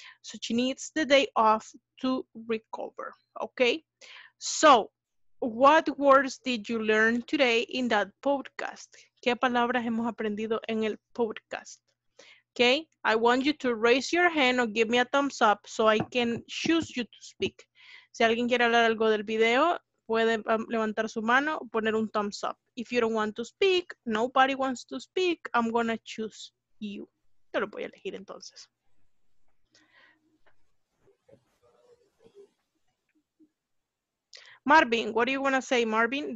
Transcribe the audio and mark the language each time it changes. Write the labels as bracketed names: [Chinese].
[English] So she needs the day off to recover, okay? So, what words did you learn today in that podcast? [Spanish] ¿Qué palabras hemos aprendido en el podcast? [English] Okay, I want you to raise your hand or give me a thumbs up so I can choose you to speak. [Spanish] Si alguien quiere hablar algo del video, puede levantar su mano o poner un thumbs up. [English] If you don't want to speak, nobody wants to speak, I'm gonna choose you. [Spanish] Yo lo voy a elegir entonces. [English] Marvin, what do you want to say, Marvin?